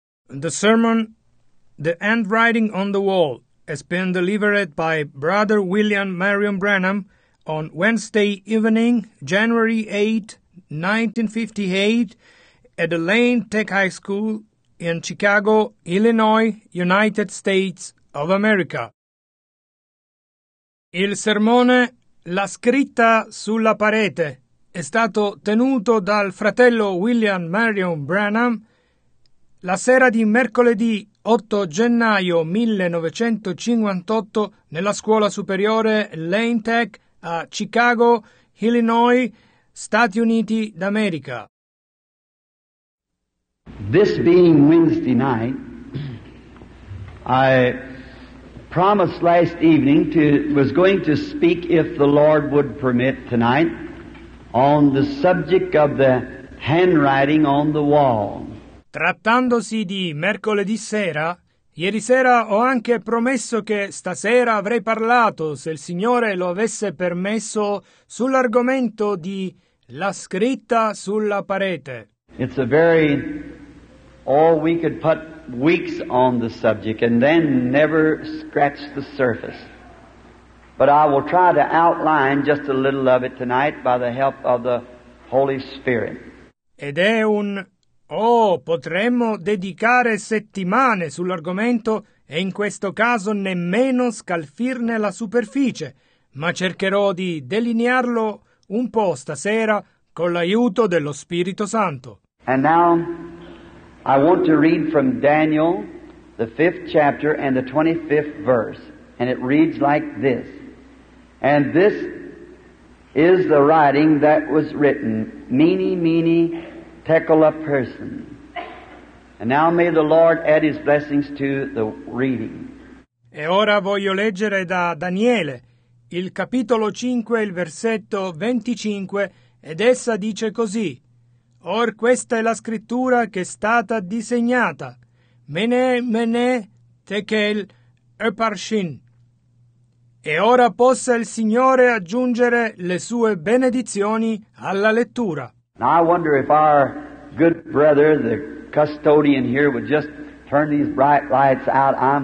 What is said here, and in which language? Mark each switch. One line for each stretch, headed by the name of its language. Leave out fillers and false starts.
English: The sermon, The Handwriting on the Wall, has been delivered by Brother William Marion Branham on Wednesday evening, January 8, 1958, at the Lane Tech High School in Chicago, Illinois, United States of America.
Italian: Il sermone La scritta sulla parete è stato tenuto dal fratello William Marion Branham la sera di mercoledì 8 gennaio 1958 nella scuola superiore Lane Tech a Chicago, Illinois, Stati Uniti d'America.
English: This being Wednesday night, I promised last evening to was going to speak, if the Lord would permit, tonight on the subject of the handwriting on the wall.
Italian: Trattandosi di mercoledì sera, ieri sera ho anche promesso che stasera avrei parlato, se il Signore lo avesse permesso, sull'argomento di la scritta sulla parete.
English: It's a very, or we could put weeks on the subject and then never scratch the surface. But I will try to outline just a little of it tonight by the help of the Holy Spirit.
Italian: Ed è un oh, potremmo dedicare settimane sull'argomento e in questo caso nemmeno scalfirne la superficie, ma cercherò di delinearlo un po' stasera con l'aiuto dello Spirito Santo.
English: And now I want to read from Daniel, the 5th chapter and the 25th verse, and it reads like this. And this is the writing that was written, Mene, Mene, Tekel, Upharsin. And now may the Lord add his blessings to the reading.
Italian: E ora voglio leggere da Daniele, il capitolo 5, il versetto 25, ed essa dice così. Or questa è la scrittura che è stata disegnata, Mene, Mene, Tekel, Upharsin. E ora possa il Signore aggiungere le sue benedizioni alla lettura.
English: Now I wonder if our good brother, the custodian here, would just turn these bright lights out.